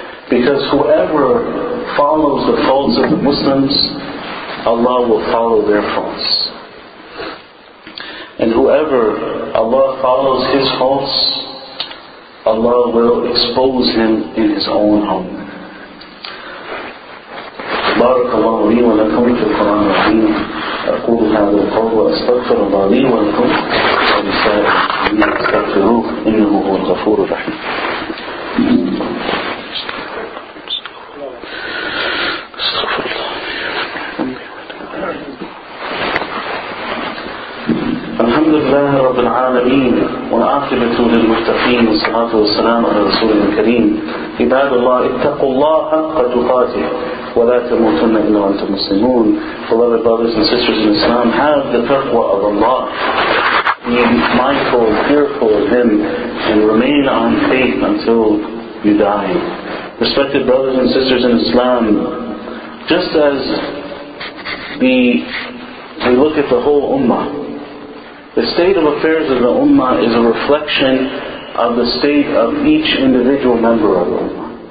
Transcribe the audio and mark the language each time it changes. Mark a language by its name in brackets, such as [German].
[English] Because whoever follows the faults of the Muslims, Allah will follow their faults. And whoever Allah follows his faults, Allah will expose him in his own home. [Arabic] بارك الله لي ولكم في القرآن الرحيم أقول هذا القول وأستغفر الله لي ولكم ولسائر المسلمين استغفروه إنه هو الغفور الرحيم. الحمد لله رب العالمين والعاقبة للمتقين والصلاة والسلام على رسول الكريم عباد الله اتقوا الله حق تقاته ولا تموتن إلا وأنتم مسلمون. [English] Beloved brothers and sisters in Islam, have the taqwa of Allah. Be mindful, fearful of Him, and remain on faith until you die. Respected brothers and sisters in Islam, just as we look at the whole ummah, the state of affairs of the ummah is a reflection of the state of each individual member of the ummah.